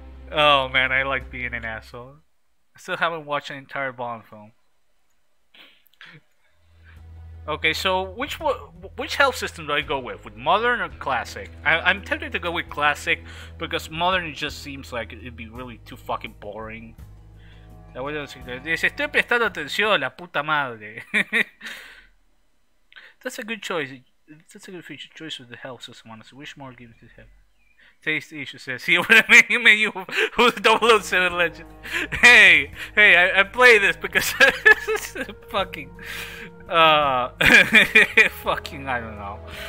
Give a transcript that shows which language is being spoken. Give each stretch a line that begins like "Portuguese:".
English: Oh man, I like being an asshole. I still haven't watched an entire Bond film. Okay, so which health system do I go with modern or classic? I'm tempted to go with classic because modern just seems like it'd be really too fucking boring.
Spanish: La voy a decir, dice, estoy prestando atención, la puta madre.
English: That's a good choice. That's a good feature choice with the health system, honestly. Wish more games could have. Taste issue says, see what I mean? Menu who's 007 legend. Hey, I play this because fucking, I don't know.